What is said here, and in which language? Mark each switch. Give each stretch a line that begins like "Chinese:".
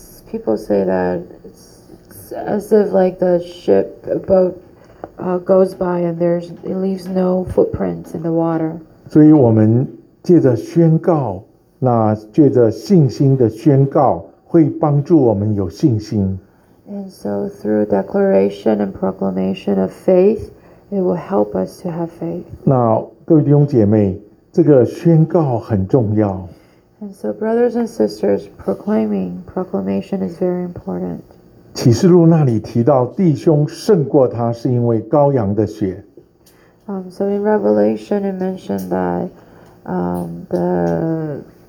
English: People say that it's as if like the ship, a boat, goes by and it leaves no footprints in the water.
Chinese: 所以我们借着宣告，那借着信心的宣告，会帮助我们有信心。
English: And so through declaration and proclamation of faith, it will help us to have faith.
Chinese: 那各位弟兄姐妹，这个宣告很重要。
English: And so, brothers and sisters, proclamation is very important.
Chinese: 启示录那里提到，弟兄胜过他，是因为羔羊的血。
English: So in Revelation, it mentioned that the